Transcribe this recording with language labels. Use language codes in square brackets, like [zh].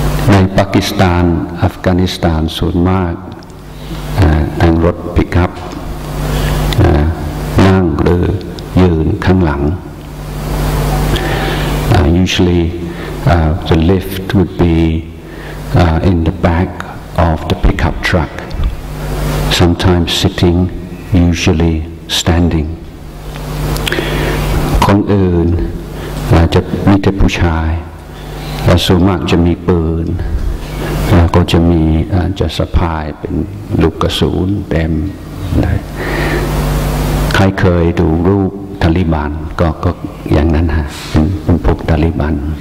[th] ในปากีสถานอัฟกานิสถานส่วนมากนั่งรถปิกอัพนั่งหรือยืนข้างหลัง [en] usually the lift would be in the back of the pickup truck. Sometimes sitting, usually standing. [th] คนอื่นจะมีแต่ผู้ชายและส่วนมากจะมีปืนแล้วก็จะมีจะสะพายเป็นลูกกระสุนเต็ม ใครเคยดูรูปทาลิบันก็อย่างนั้นฮะเป็นพวกทาลิบัน